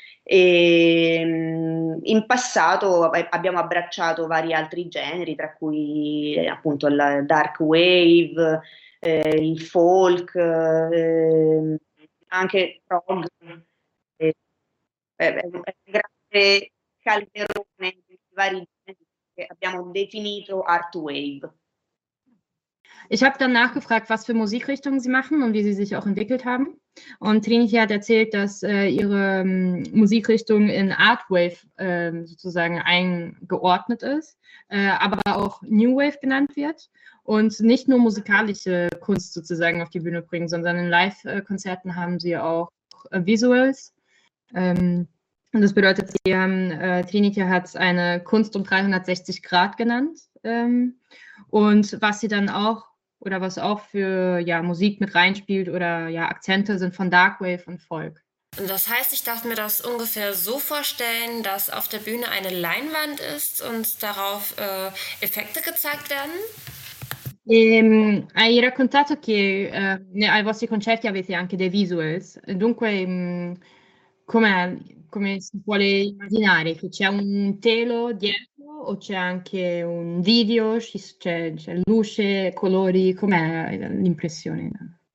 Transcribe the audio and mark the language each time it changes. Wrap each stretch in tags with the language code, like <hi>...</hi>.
<it>E in passato abbiamo abbracciato vari altri generi, tra cui appunto la dark wave, il folk, anche il prog, è un grande calderone di vari generi che abbiamo definito art wave.</it> <de>Ich habe dann nachgefragt, was für Musikrichtungen sie machen und wie sie sich auch entwickelt haben. Und Trinity hat erzählt, dass ihre Musikrichtung in Art Wave sozusagen eingeordnet ist, aber auch New Wave genannt wird und nicht nur musikalische Kunst sozusagen auf die Bühne bringen, sondern in Live-Konzerten haben sie auch Visuals. Und das bedeutet, sie haben, Trinity hat es eine Kunst um 360 Grad genannt. Und was sie dann auch, oder was auch für ja, Musik mit reinspielt oder ja, Akzente sind von Darkwave und Folk. Das heißt, ich darf mir das ungefähr so vorstellen, dass auf der Bühne eine Leinwand ist und darauf Effekte gezeigt werden?</de> <it>Hai raccontato che ai vostri concerti avete anche dei visuals. Dunque, come si vuole immaginare? Che c'è un telo dietro? O c'è anche un video, c'è luce, colori, com'è l'impressione?</it>